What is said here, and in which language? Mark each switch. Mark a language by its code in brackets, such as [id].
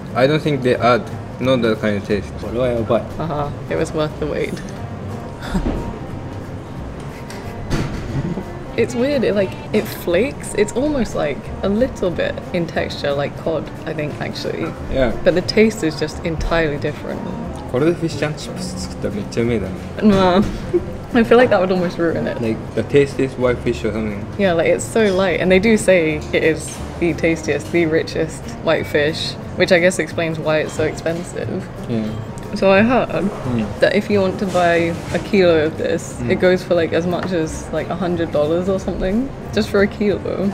[en] I don't think they add, not that kind of taste. [ja] これはやばい。 [en] Uh-huh, it was worth the wait. It's weird, it flakes. It's almost like a little bit in texture, like cod, I think, actually. Yeah. But the taste is just entirely different. [ja] これでフィッシュ&チップス作ったらめっちゃうめえだね。 [en] まあ、I feel like that would almost ruin it. Like, the tastiest white fish or something. Yeah, like, it's so light. And they do say it is the tastiest, the richest white fish, which I guess explains why it's so expensive. Yeah. So I heard that if you want to buy a kilo of this, it goes for like as much as like $100 or something. Just for a kilo.